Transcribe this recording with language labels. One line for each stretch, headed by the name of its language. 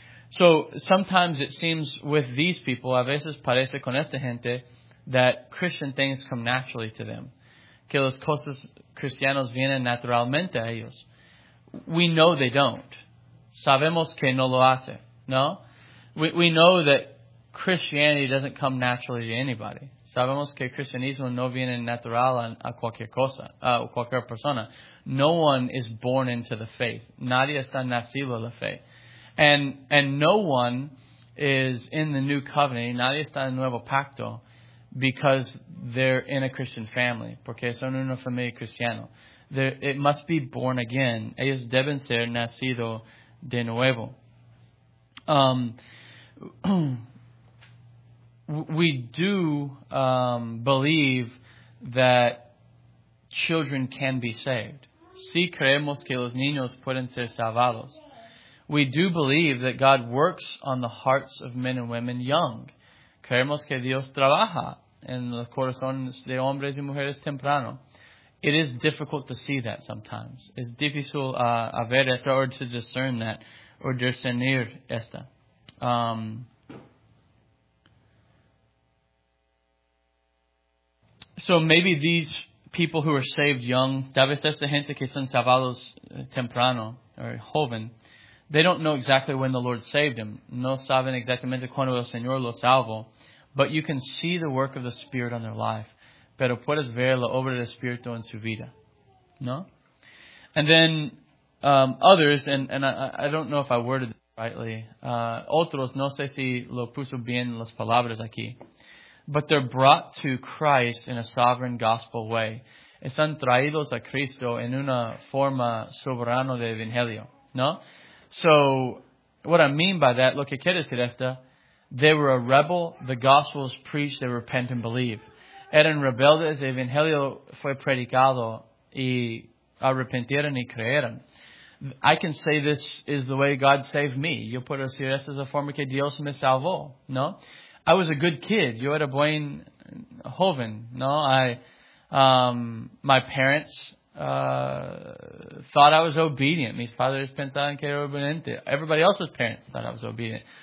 English: So sometimes it seems with these people,
Spanish: a veces parece con esta gente,
English: that Christian things come naturally to them.
Spanish: Que las cosas cristianas vienen naturalmente a ellos.
English: We know they don't.
Spanish: Sabemos que no lo hace. No?
English: We know that Christianity doesn't come naturally to anybody.
Spanish: Sabemos que cristianismo no viene natural a cualquier cosa, a cualquier persona.
English: No one is born into the faith.
Spanish: Nadie está nacido a la fe.
English: And no one is in the new covenant.
Spanish: Nadie está en nuevo pacto
English: because they're in a Christian family.
Spanish: Porque son una familia cristiana.
English: It must be born again.
Spanish: Ellos deben ser nacido de nuevo.
English: We do believe that children can be saved.
Spanish: Sí creemos que los niños pueden ser salvados.
English: We do believe that God works on the hearts of men and women young.
Spanish: Creemos que Dios trabaja en los corazones de hombres y mujeres temprano.
English: It is difficult to see that sometimes.
Spanish: Es difícil a ver esto
English: or to discern that or
Spanish: discernir esta.
English: So maybe these people who are saved young,
Spanish: tal vez esta gente que son salvados temprano or joven,
English: they don't know exactly when the Lord saved them.
Spanish: No saben exactamente cuando el Señor los salvó.
English: But you can see the work of the Spirit on their life.
Spanish: Pero puedes ver la obra del Espíritu en su vida. No?
English: And then others, and I don't know if I worded it rightly.
Spanish: Otros, no sé si lo puso bien las palabras aquí.
English: But they're brought to Christ in a sovereign gospel way.
Spanish: Están traídos a Cristo en una forma soberana de Evangelio. No?
English: So, what I mean by that,
Spanish: lo que quiere decir esta,
English: they were a rebel, the gospel was preached, they repent and believe.
Spanish: Eran rebeldes, el evangelio fue predicado, y arrepintieron y creyeron.
English: I can say this is the way God saved me.
Spanish: Yo puedo decir, esta es la forma que Dios me salvó, no?
English: I was a good kid,
Spanish: yo era buen joven, no?
English: My parents thought I was obedient.
Spanish: Mis padres pensaron que era obediente.
English: Everybody else's parents thought I was obedient.